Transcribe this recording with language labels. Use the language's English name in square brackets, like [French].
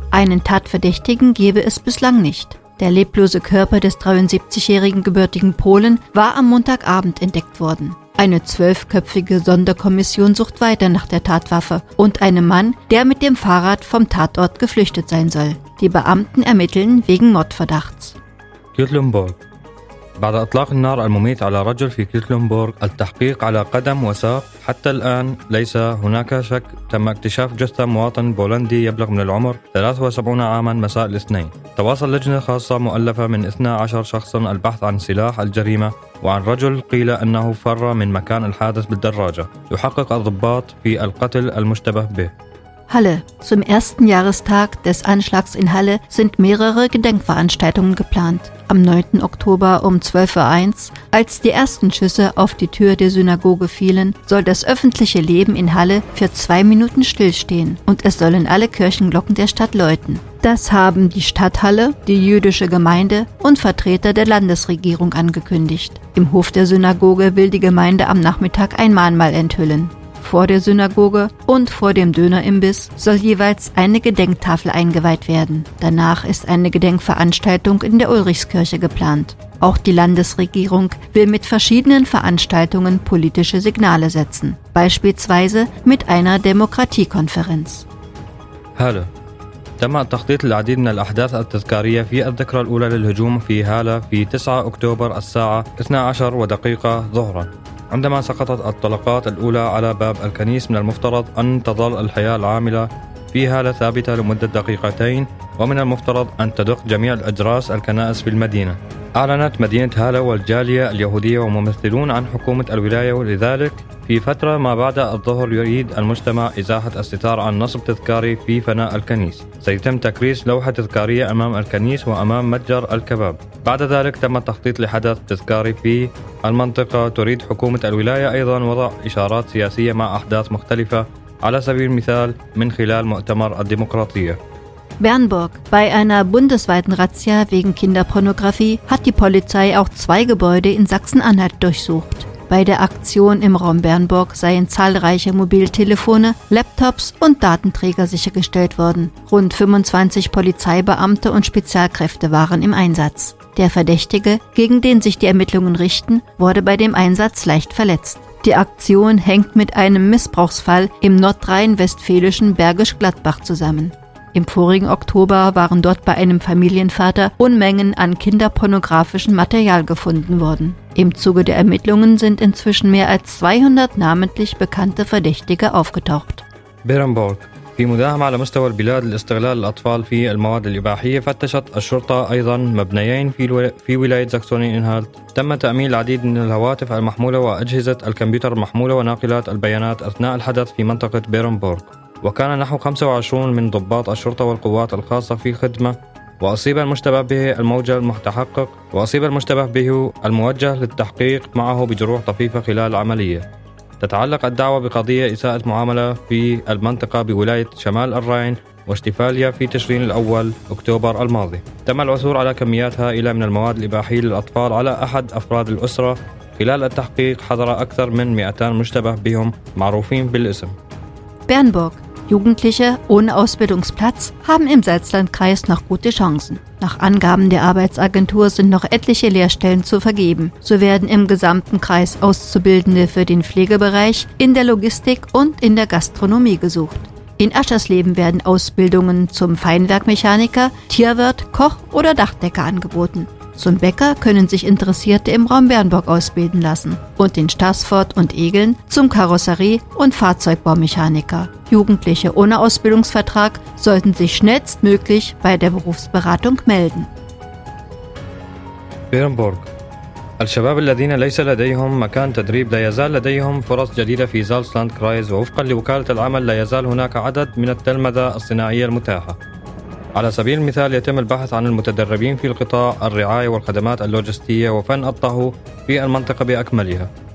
[German] Einen Tatverdächtigen gebe es bislang nicht. Der leblose Körper des 73-jährigen gebürtigen Polen war am Montagabend entdeckt worden. Eine 12-köpfige Sonderkommission sucht weiter nach der Tatwaffe und einem Mann, der mit dem Fahrrad vom Tatort geflüchtet sein soll. Die Beamten ermitteln wegen Mordverdachts. Quedlinburg. [Arabic] بعد اطلاق النار المميت على رجل في كيتلنبورغ التحقيق على قدم وساق حتى الان ليس هناك شك تم اكتشاف جثه مواطن بولندي يبلغ من العمر 73 عاما مساء الاثنين تواصل لجنه خاصه مؤلفه من 12 شخصا البحث عن سلاح الجريمه وعن رجل قيل انه فر من مكان الحادث بالدراجه يحقق الضباط في القتل المشتبه به [German] Halle. Zum ersten Jahrestag des Anschlags in Halle sind mehrere Gedenkveranstaltungen geplant. Am 9. Oktober um 12.01 Uhr, als die ersten Schüsse auf die Tür der Synagoge fielen, soll das öffentliche Leben in Halle für 2 Minuten stillstehen und es sollen alle Kirchenglocken der Stadt läuten. Das haben die Stadthalle, die jüdische Gemeinde und Vertreter der Landesregierung angekündigt. Im Hof der Synagoge will die Gemeinde am Nachmittag ein Mahnmal enthüllen. Vor der Synagoge und vor dem Dönerimbiss soll jeweils eine Gedenktafel eingeweiht werden. Danach ist eine Gedenkveranstaltung in der Ulrichskirche geplant. Auch die Landesregierung will mit verschiedenen Veranstaltungen politische Signale setzen, beispielsweise mit einer Demokratiekonferenz. Hallo. [Arabic] تم تخطيط العديد من الأحداث التذكارية في الذكرى الأولى للهجوم في هالة في 9 أكتوبر الساعة 12 ودقيقة ظهرا عندما سقطت الطلقات الأولى على باب الكنيس من المفترض أن تظل الحياة العاملة في هالة ثابتة لمدة دقيقتين ومن المفترض أن تدق جميع الأجراس الكنائس في المدينة أعلنت مدينة هالة والجالية اليهودية وممثلون عن حكومة الولاية ولذلك في فترة ما بعد الظهر يريد المجتمع إزاحة الستار عن نصب تذكاري في فناء الكنيس سيتم تكريس لوحة تذكارية أمام الكنيس وأمام متجر الكباب بعد ذلك تم التخطيط لحدث تذكاري في المنطقة تريد حكومة الولاية أيضا وضع إشارات سياسية مع أحداث مختلفة على سبيل المثال من خلال مؤتمر الديمقراطية [German] Bernburg. Bei einer bundesweiten Razzia wegen Kinderpornografie hat die Polizei auch 2 Gebäude in Sachsen-Anhalt durchsucht. Bei der Aktion im Raum Bernburg seien zahlreiche Mobiltelefone, Laptops und Datenträger sichergestellt worden. Rund 25 Polizeibeamte und Spezialkräfte waren im Einsatz. Der Verdächtige, gegen den sich die Ermittlungen richten, wurde bei dem Einsatz leicht verletzt. Die Aktion hängt mit einem Missbrauchsfall im nordrhein-westfälischen Bergisch Gladbach zusammen. Im vorigen Oktober waren dort bei einem Familienvater Unmengen an kinderpornografischem Material gefunden worden. Im Zuge der Ermittlungen sind inzwischen mehr als 200 namentlich bekannte Verdächtige aufgetaucht. Bernburg. [Arabic] في مداهمة على مستوى البلاد لاستغلال الأطفال في المواد الإباحية فتشت الشرطة أيضا مبنيين في ولاية ساكسوني-أنهالت تم تأميل العديد من الهواتف المحمولة وأجهزة الكمبيوتر المحمولة وناقلات البيانات أثناء الحدث في منطقة بيرنبورغ وكان نحو 25 من ضباط الشرطة والقوات الخاصة في خدمة وأصيب المشتبه به الموجه المتحقق وأصيب المشتبه به الموجه للتحقيق معه بجروح طفيفة خلال العملية تتعلق الدعوة بقضية إساءة معاملة في المنطقة بولاية شمال الراين واشتفاليا في تشرين الأول أكتوبر الماضي تم العثور على كميات هائلة من المواد الإباحية للأطفال على أحد أفراد الأسرة خلال التحقيق حضر أكثر من 200 مشتبه بهم معروفين بالاسم [German] Bernburg. Jugendliche ohne Ausbildungsplatz haben im Salzlandkreis noch gute Chancen. Nach Angaben der Arbeitsagentur sind noch etliche Lehrstellen zu vergeben. So werden im gesamten Kreis Auszubildende für den Pflegebereich, in der Logistik und in der Gastronomie gesucht. In Aschersleben werden Ausbildungen zum Feinwerkmechaniker, Tierwirt, Koch oder Dachdecker angeboten. Zum Bäcker können sich Interessierte im Raum Bernburg ausbilden lassen und in Stassfurt und Egeln zum Karosserie- und Fahrzeugbaumechaniker. Jugendliche ohne Ausbildungsvertrag sollten sich schnellstmöglich bei der Berufsberatung melden. Bernburg. [Arabic] الشباب الذين ليس لديهم مكان تدريب لا يزال لديهم فرص جديدة في زالسلاند كرايز ووفقا لوكالة العمل لا يزال هناك عدد من التلمذة الصناعية المتاحة. على سبيل المثال يتم البحث عن المتدربين في القطاع الرعاية والخدمات اللوجستية وفن الطهو في المنطقة بأكملها.